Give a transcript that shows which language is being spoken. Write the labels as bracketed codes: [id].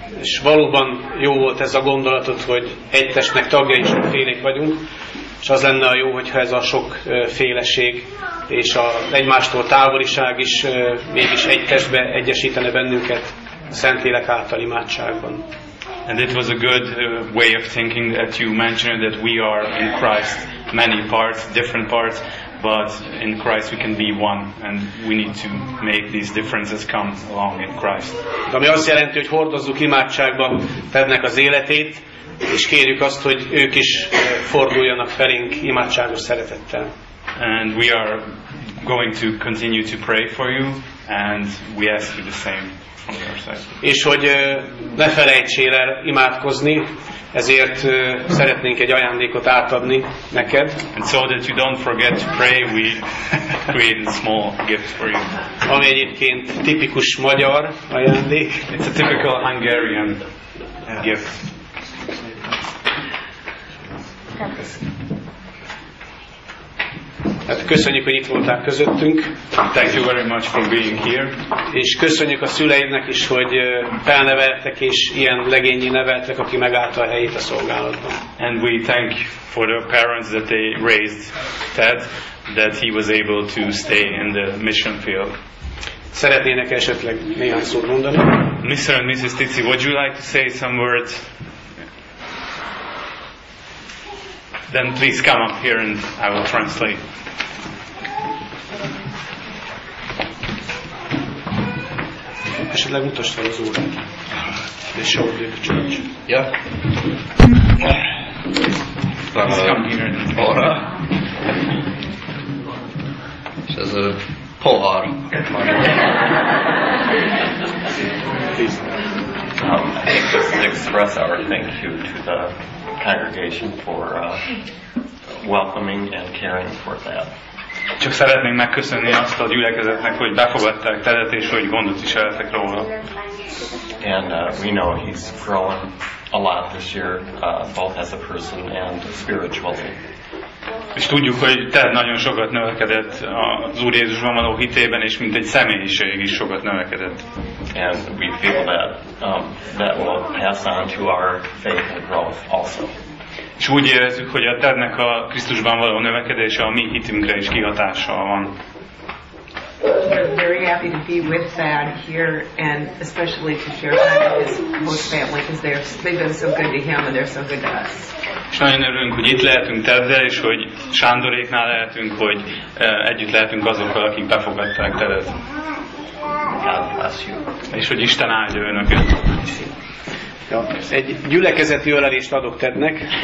[hu] És valóban jó volt ez a gondolatod, hogy egy testnek tagjai sokfélék vagyunk. És az lenne a jó, hogyha ez a sok féleség és a egymástól távoliság is mégis egy testbe egyesítene bennünket a Szentlélek által imádságban. [en] And it was a good way of thinking that you mentioned that we are in Christ many parts, different parts, but in Christ we can be one, and we need to make these differences come along in Christ. [hu] De ami azt jelenti, hogy hordozzuk imádságban Tednek az életét, és kérjük azt, hogy ők is forduljanak felénk imádságos szeretettel. [en] And we are going to continue to pray for you, and we ask you the same. [hu] És hogy ne felejtsél el imádkozni, ezért szeretnénk egy ajándékot átadni neked. [en] And so that you don't forget to pray, we create a small gift for you. [hu] Ami egyébként tipikus magyar ajándék. [en] It's a typical Hungarian gift. [hu] Hát köszönjük, hogy itt voltál közöttünk. [en] Thank you very much for being here. [hu] És köszönjük a szüleidnek is, hogy felneveltek és ilyen legényi neveltek, aki megállta a helyét a szolgálatban. [en] And we thank for the parents that they raised Ted, that he was able to stay in the mission field. [hu] Szeretnének esetleg néhány szót mondani? [en] Mr. and Mrs. Tici, would you like to say some words? Then please come up here and I will translate. [hu] Esetleg mutasd fel az úr. [en] The show of the church. Yeah. Please come here and [hu] Pohara. [en] It says a Pohara. Please. Just to express our thank you to the congregation for welcoming and caring for that. [hu] Csak szeretnénk megköszönni azt a gyülekezetnek, hogy befogadták Tedet és hogy gondot is ellettek róla. [en] And we know he's grown a lot this year, both as a person and spiritually. [hu] És tudjuk, hogy Ted nagyon sokat növekedett az Úr Jézusban való hitében, és mint egy személyiség is sokat növekedett. [en] And we feel that that will pass on to our faith and growth also. [hu] És úgy érezzük, hogy a Tednek a Krisztusban való növekedése a mi hitünkre is kihatással van. [en] We're very happy to be with Thad here, and especially to share time with his host family, because they've been so good to him and they're so good to us. [hu] És nagyon örülünk, hogy itt lehetünk Teddel, és hogy Sándoréknál lehetünk, hogy együtt lehetünk azokkal, akik befogadták Tedet. [en] God bless you. [hu] És hogy Isten áldja önöket. Ja, egy gyülekezeti ölelést adok Tednek.